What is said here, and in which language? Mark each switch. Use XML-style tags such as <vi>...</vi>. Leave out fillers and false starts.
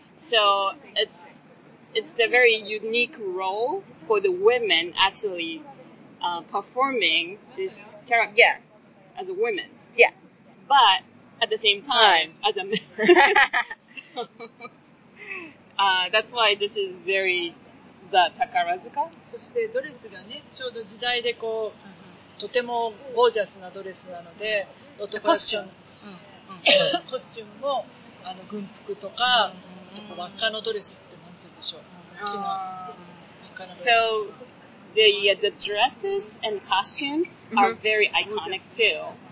<en>So it's the very unique role for the women actually performing this character as a woman. Yeah. But at the same time, as a man. So, that's why this is very the Takarazuka.</en> <ja>そしてドレスがね、ちょうど時代でこう、とてもゴージャスなドレスなので、男のコスチューム。コスチュームも、軍服とか、輪っかのドレスってなんて言うんでしょう。</ja> <en>So, the dresses and costumes are very iconic too.</en>